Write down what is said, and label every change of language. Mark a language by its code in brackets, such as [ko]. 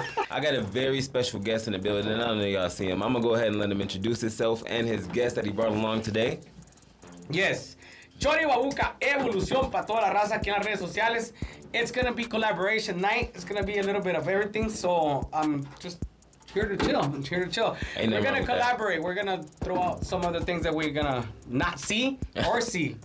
[en] I got a very special guest in the building. I don't know y'all see him. I'ma go ahead and let him introduce himself and his guest that he brought along today. Yes. [es] Chorii Babuca, evolución para toda la raza aquí en las redes sociales. [en] It's gonna be collaboration night. It's gonna be a little bit of everything. So I'm just here to chill. Ain't we're gonna collaborate. That. We're gonna throw out some of the things that we're gonna not see or see.